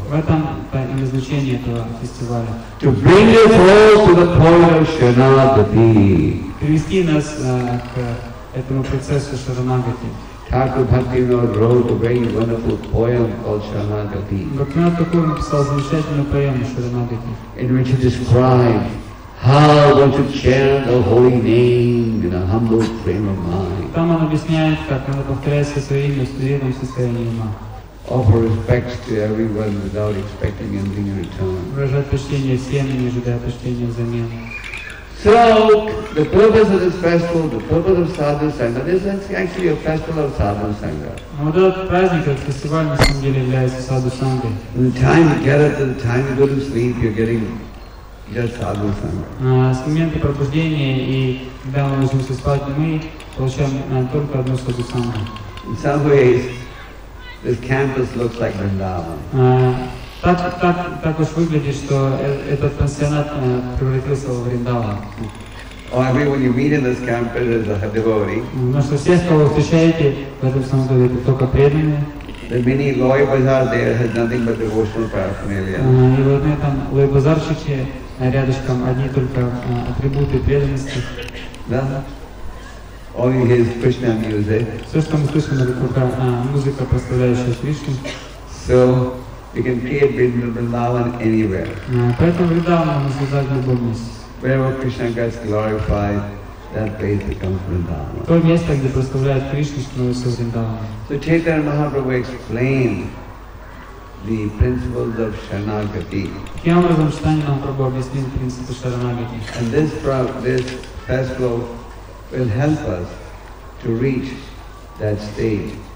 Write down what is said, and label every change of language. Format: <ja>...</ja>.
<ru>В этом и назначение этого фестиваля.</ru> <en>To bring us all to the point of шаранагати.</en> <ru>Привести нас к этому процессу шаранагати.</ru> <en>Thakur Bhaktivinoda wrote a very wonderful poem called Sharanagati.</en> <ru>Бхактивинода Тхакур написал замечательную поэму Шаранагати.</ru> <en>In which he describes How one should chant the holy name in a humble frame of mind.</en> <ru>Там он объясняет, как надо повторять свое имя с преданным состоянием ума.</ru> <en>Offer respects to everyone without expecting anything in return.</en> <ru>Выражать почтение всем, не ожидая почтения взамен.</ru> <en>So the purpose of this festival, the purpose of Sadhu Sangha, this is actually a festival of Sadhu Sangha.</en> <ru>Вот этот праздник, этот фестиваль на самом деле является Sadhu Sangha.</ru> <en>From the time you get up to the time you go to sleep, you're getting just Sadhu Sangha.</en> <ru>С момента пробуждения и когда мы ложимся спать, мы получаем только одну Sadhu Sangha.</ru> <en>In some ways, this campus looks like Vrindavan.</en> <ru>Так уж выглядит, что этот пансионат превратился в Вриндаван.</ru> <en>Oh, I mean, when you meet in this campus as a devotee.</en> <ru>Но что все, кого вы встречаете в этом самом деле, это только преданные.</ru> <en>The mini loy bazaar there has nothing but devotional paraphernalia.</en> <ru>И вот на этом лой базарчике рядышком одни только атрибуты преданности.</ru> <en>Да. Only his Krishna music.</en> <ru>Все, что мы слышим, это только музыка, прославляющая Кришну.</ru> <en>So. You can create Vrindavan anywhere.</en> <ru>Поэтому Вриндаван создать любой месте.</ru> <en>Wherever Krishna gets glorified, that place becomes Vrindavan.</en> <ru>То место, где прославляет Кришну, становится Вриндаваном.</ru> <en>So Chaitanya Mahaprabhu explained the principles of Sharanagati.</en> <ru>Таким образом, Чайтанья Махапрабху объяснил принципы Шаранагати.</ru> <en>And this festival will help us to reach that stage.</en>